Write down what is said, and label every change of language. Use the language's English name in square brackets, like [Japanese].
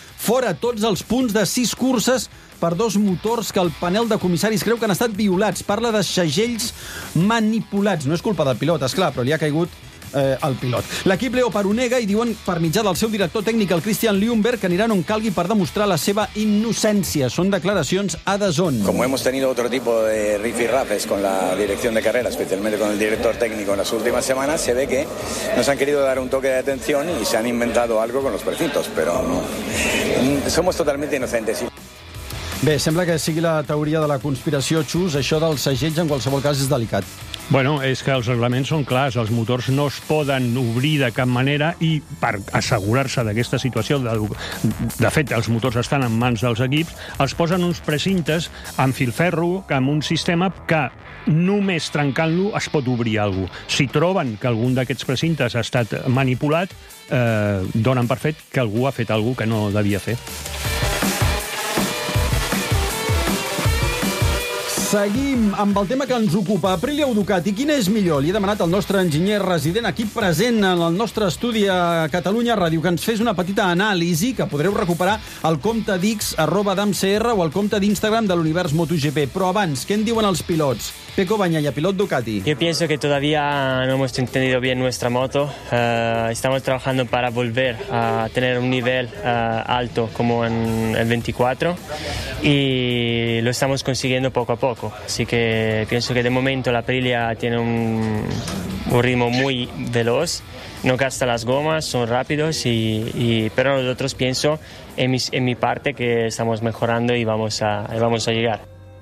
[Catalan] Fora tots els punts de 6 curses per dos motors que el panel de comissaris creu que han estat violats. Parla de segells manipulats. No és culpa del pilot, és clar, però li ha caigut el pilot. L'equip Leopard ho nega i diuen, per mitjà del seu director tècnic, el Christian Ljungberg, que aniran on calgui per demostrar la seva innocència. Són declaracions a DAZN. [Spanish] Como hemos tenido otro tipo de rifirrafes con la dirección de carrera, especialmente con el director técnico en las últimas semanas, se ve que nos han querido dar un toque de atención y se han inventado algo con los precintos, pero no. Somos totalmente inocentes. [Catalan] Bé, sembla que sigui la teoria de la conspiració, Xus. Això dels segells, en qualsevol cas, és delicat. Bueno, és que els reglaments són clars. Els motors no es poden obrir de cap manera i, per assegurar-se d'aquesta situació, de fet, els motors estan en mans dels equips, els posen uns precintes amb filferro, amb un sistema que només trencant-lo es pot obrir alguna cosa. Si troben que algun d'aquests precintes ha estat manipulat, donen per fet que algú ha fet alguna cosa que no devia fer. Seguim amb el tema que ens ocupa. Aprilia o Ducati, quina és millor? Li he demanat al nostre enginyer resident aquí present en el nostre estudi a Catalunya Ràdio que ens fes una petita anàlisi que podreu recuperar al compte dix@damcr o al compte d'Instagram de l'Univers MotoGP. Però abans, què en diuen els pilots? Pecco Bagnaia, pilot Ducati. [Spanish] Yo pienso que todavía no hemos entendido bien nuestra moto. Estamos trabajando para volver a tener un nivel alto como en el 24 y lo estamos consiguiendo poco a poco. Así que pienso que de momento la Aprilia tiene un ritmo muy veloz, no gasta las gomas, son rápidos, pero nosotros pienso en mi parte que estamos mejorando y vamos a llegar.